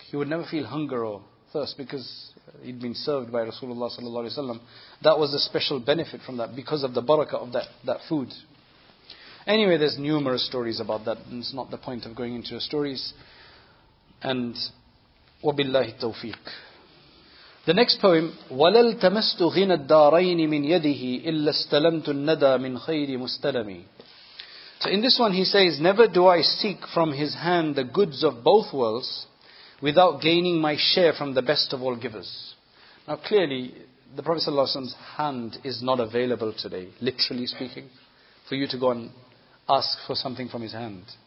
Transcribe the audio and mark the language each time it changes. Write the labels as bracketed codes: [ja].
[en] He would never feel hunger or thirst because he'd been served by Rasulullah sallallahu alaihi wasallam. That was a special benefit from that because of the barakah of that food. Anyway, there's numerous stories about that, and it's not the point of going into the stories. And wabillahi tawfiq. The next poem, [ar] وَلَلْ تَمَسْتُ غِنَ الدَّارَيْنِ مِنْ يَدِهِ إِلَّا اسْتَلَمْتُ النَّدَى مِنْ خَيْرِ مُسْتَلَمِ. [en] So in this one he says, never do I seek from his hand the goods of both worlds without gaining my share from the best of all givers. Now clearly, the Prophet's hand is not available today, literally speaking, for you to go and ask for something from his hand.